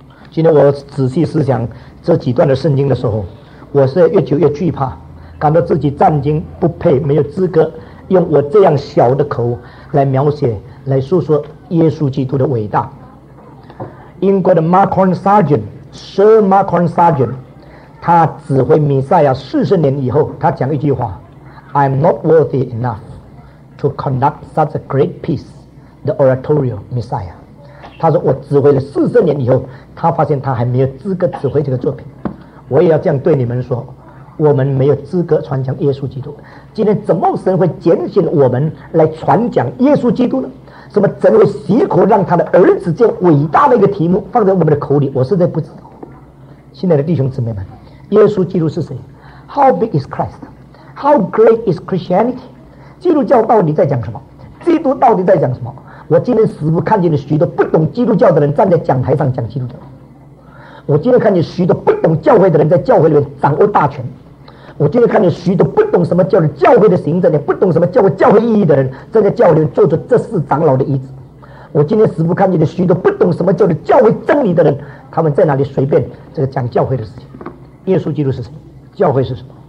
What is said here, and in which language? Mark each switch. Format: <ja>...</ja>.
<zh>今天我仔细思想这几段的圣经的时候，我是越久越惧怕，感到自己暂经不配，没有资格用我这样小的口来描写来诉说耶稣基督的伟大。英国的 Marcon Sargent Sir Marcon Sargent 他指挥弥赛亚四十年以后，他讲一句话，</zh> <en>I'm not worthy enough to conduct such a great piece, the oratorio Messiah。</en> <zh>他说我指挥了四十年以后，他发现他还没有资格指挥这个作品。我也要这样对你们说，我们没有资格传讲耶稣基督。今天怎么神会拣选我们来传讲耶稣基督呢？什么怎会喜口让他的儿子这样伟大的一个题目放在我们的口里？我实在不知道。亲爱的弟兄姊妹们，耶稣基督是谁？</zh> <en>How big is Christ? How great is Christianity?</en> <zh>基督教到底在讲什么？基督到底在讲什么？我今天似乎看见了许多不懂基督教的人站在讲台上讲基督教，我今天看见许多不懂教会的人在教会里面掌握大权，我今天看见许多不懂什么叫教会的行政，也不懂什么叫教会意义的人站在教会里面做着这事长老的椅子，我今天似乎看见许多不懂什么叫教会真理的人，他们在哪里随便这个讲教会的事情。耶稣基督是什么？教会是什么？</zh>